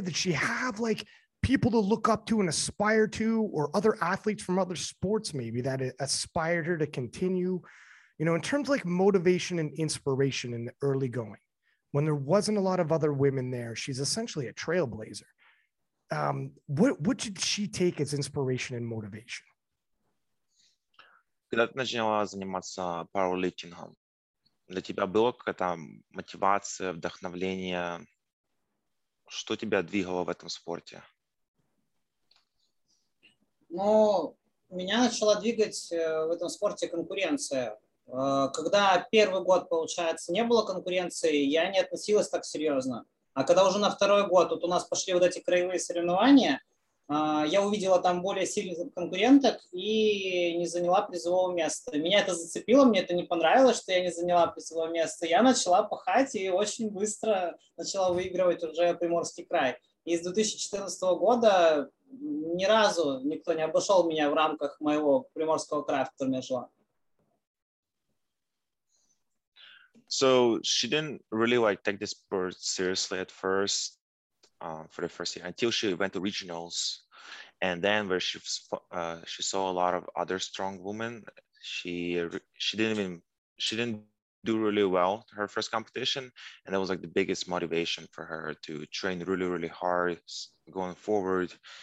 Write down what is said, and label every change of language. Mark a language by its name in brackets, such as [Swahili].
[English] Did she have like people to look up to and aspire to, or other athletes from other sports maybe that aspired her to continue, you know, in terms of like motivation and inspiration in the early going, when there wasn't a lot of other women there, she's essentially a trailblazer. What did she take as inspiration and motivation? [Russian] Когда ты начинала заниматься пауэрлифтингом, для тебя было какая-то мотивация, вдохновление? Что тебя двигало в этом спорте? Ну, меня начала двигать в этом спорте конкуренция. Когда первый год, получается, не было конкуренции, я не относилась так серьезно. А когда уже на второй год, вот у нас пошли вот эти краевые соревнования, я увидела там более сильных конкуренток и не заняла призового места. Меня это зацепило, мне это не понравилось, что я не заняла призового места. Я начала пахать и очень быстро начала выигрывать уже Приморский край. И с 2014 года ни разу никто не обошел меня в рамках моего Приморского края, в котором я жила. [English] So she didn't really like take this sport seriously at first. For the first year, until she went to regionals, and then where she saw a lot of other strong women, she didn't do really well her first competition, and that was like the biggest motivation for her to train really, really hard going forward.